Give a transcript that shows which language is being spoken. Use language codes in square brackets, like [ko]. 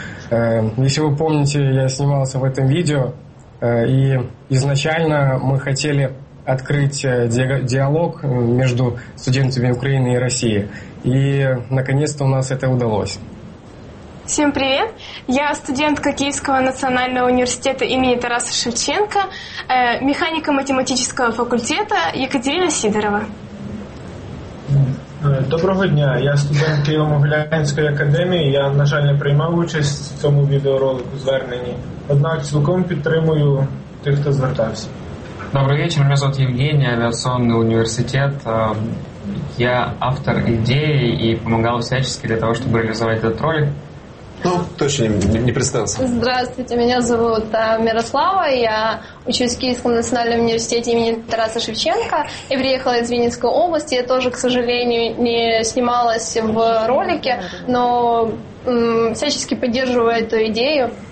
[ru] Если вы помните, я снимался в этом видео, и изначально мы хотели открыть диалог между студентами Украины и России. И наконец-то у нас это удалось. Всем привет! Я студентка Киевского национального университета имени Тараса Шевченко, механико-математического факультета Екатерина Сидорова. [uk] Доброго дня! Я студент Києво-Могилянської академії. Я, на жаль, не приймав участь в цьому відеоролику зверненні. Однак цілком підтримую тих, хто звертався. Добрий вечір! Мене звати Євгеній, авіаційний університет. Я автор ідеї і допомагав всячески для того, щоб реалізувати цей ролик. [ru] Ну, точно не представился. Здравствуйте, меня зовут Мирослава, я учусь в Киевском национальном университете имени Тараса Шевченко. Я приехала из Винницкой области, я тоже, к сожалению, не снималась в ролике, но всячески поддерживаю эту идею.